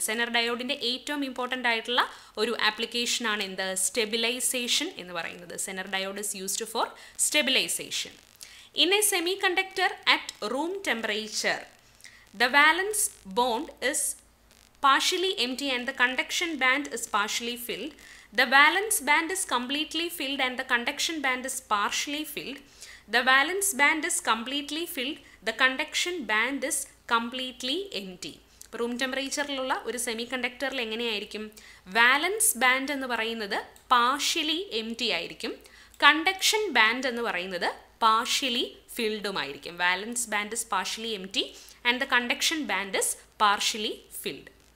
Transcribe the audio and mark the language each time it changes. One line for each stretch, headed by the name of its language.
Malayalam: Zener ഡയോഡിൻ്റെ ഏറ്റവും important ആയിട്ടുള്ള ഒരു ആപ്ലിക്കേഷനാണ് എന്ത്? സ്റ്റെബിലൈസേഷൻ എന്ന് പറയുന്നത്.
English: Zener diode is used for stabilisation. In a semiconductor at room temperature the valence bond is partially empty and the conduction band is partially filled. The valence band is completely filled and the conduction band is partially filled. The valence band is completely filled. The conduction band is completely empty.
Malayalam: Room temperature ലുള്ള ഒരു സെമികണ്ടക്ടറിൽ എങ്ങനെയായിരിക്കും? വാലൻസ് band എന്ന് പറയുന്നത് partially empty ആയിരിക്കും. Conduction band എന്ന് പറയുന്നത് partially ഫിൽഡുമായിരിക്കും.
English: Valence band is partially empty and the conduction band is partially filled.